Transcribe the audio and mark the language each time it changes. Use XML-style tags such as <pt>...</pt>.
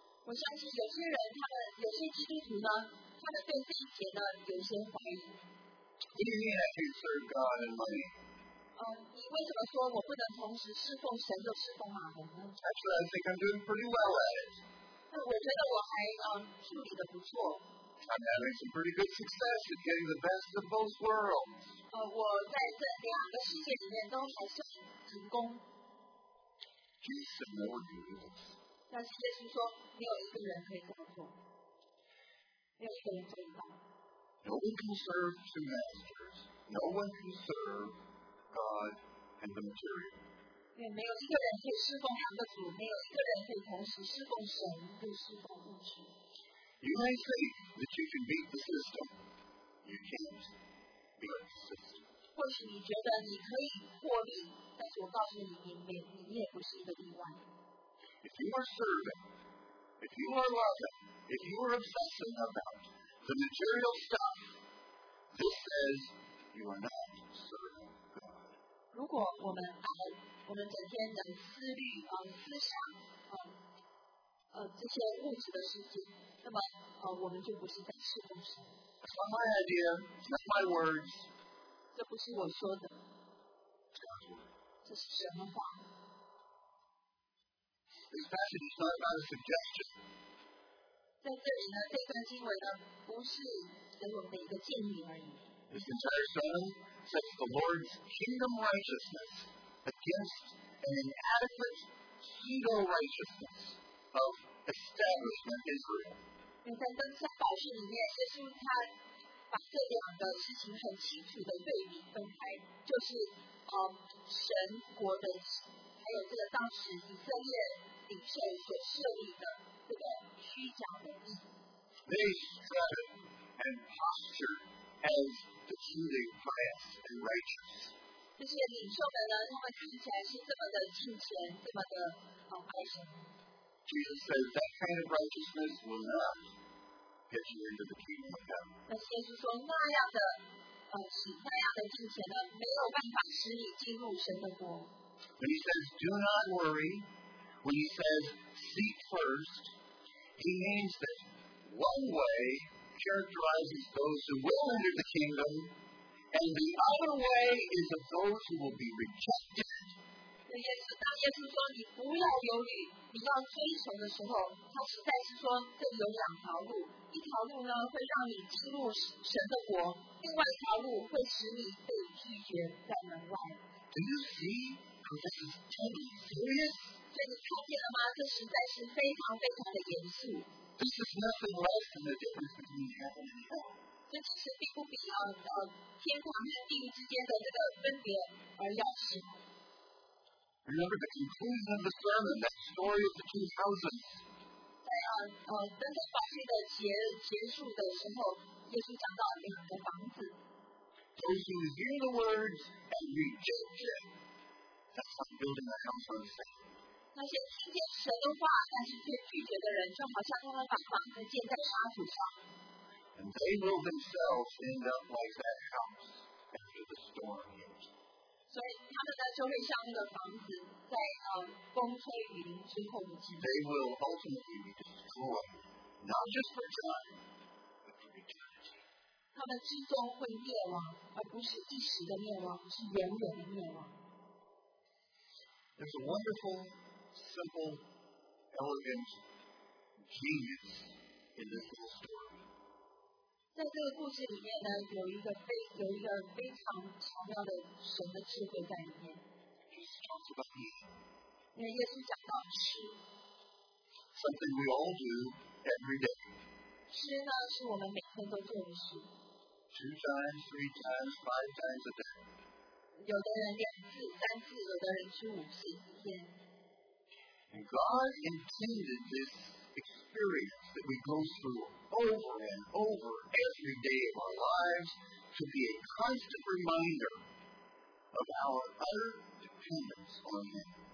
<zh>我相信有些人，他们有些基督徒呢，他们对这一节呢有些怀疑。</zh> <en>What do you mean I can't serve God and money?</en> <zh>你为什么说我不能同时侍奉神又侍奉马门呢？</zh> <en>Actually, I think I'm doing pretty well at it.</en> <zh>我觉得我还处理得不错。</zh> <en>I'm having some pretty good success at getting the best of both worlds.</en> <zh>我在这两个世界里面都还算成功。</zh> <en>Jesus said, "No one can do this."</en> <zh>但是耶稣说，没有一个人可以这么做，没有一个人做得到。</zh> <en>No one can serve two masters. No one can serve God and the material.</en> <zh>对，没有一个人可以侍奉两个主，没有一个人可以同时侍奉神又侍奉物质。</zh> <en>You may think that you can beat the system. You can't beat the system.</en> <zh>或许你觉得你可以获利，但是我告诉你，你也不是一个例外。</zh> <en>If you are serving, if you are loving, if you are obsessing about the material stuff, this says you are not serving God.</en> <zh>如果我们爱，我们整天的思虑啊，思想啊，这些物质的事情。</zh> <en>That's not my idea. It's not my words.</en> <zh>这不是我说的。这是什么话？</zh> <en>This passage is not about a suggestion.</en> <zh>在这里呢，这段经文呢，不是给我们一个建议而已。</zh> <en>This entire sermon sets the Lord's kingdom righteousness against an inadequate pseudo righteousness of establishment Israel.</en> <zh>因为在登山宝训里面，耶稣他把这两个事情很清楚的对比分开，就是神国的，还有这个当时以色列领袖所设立的这个虚假的义。</zh> <en>They strut and posture as the truly pious and righteous.</en> <zh>这些领袖们呢，他们看起来是这么的敬虔，这么的拜神。</zh> <en>Jesus says that kind of righteousness will not get you into the kingdom of heaven.</en> <zh>那耶稣说那样的，那样的敬虔呢，没有办法使你进入神的国。</zh> <en>When he says, "Do not worry," when he says, "Seek first," he means that one way characterizes those who will enter the kingdom, and the other way is of those who will be rejected.</en> <zh>那耶稣，当耶稣说你不要犹豫。你要追求的时候，他实在是说，这里有两条路，一条路呢会让你进入神的国，另外一条路会使你被拒绝在门外。</zh> <en>Do you see how this is totally serious?</en> <zh>所以你看见了吗？这实在是非常非常的严肃。</zh> <en>This is nothing less than the difference between heaven and hell.</en> <zh>这其实并不比天堂和地狱之间的这个分别而要紧。</zh> <en>Remember the conclusion of the sermon, that story of the two houses.</en> <zh>在登山宝训的结束的时候，耶稣讲到两个房子。</zh> <en>Those who hear the words and reject them, that's like building a house on sand.</en> <zh>那些听见神的话但是却拒绝的人，就好像他们把房子建在沙土上。</zh> <en>And they will themselves end up like that house after the storm.</en> <zh>所以他们呢就会像那个房子在风吹雨淋之后的景象。</zh> <en>They will ultimately be destroyed, not just for time, but for eternity.</en> <zh>他们之中会灭亡，而不是一时的灭亡，是永远的灭亡。</zh> <en>There's a wonderful simple, elegant genius in this little story.</en> <zh>在这个故事里面呢，有一个非常巧妙的神的智慧在里面。耶稣讲到吃。</zh> <en>Something we all do every day.</en> <zh>吃呢，是我们每天都做的事。</zh> <en>2 times, 3 times, 5 times a day.</en> <zh>有的人两次、三次，有的人吃5次一天。</zh> <en>And God intended this experience that we go through over and over every day of our lives to be a constant reminder of our utter dependence on Him.</en>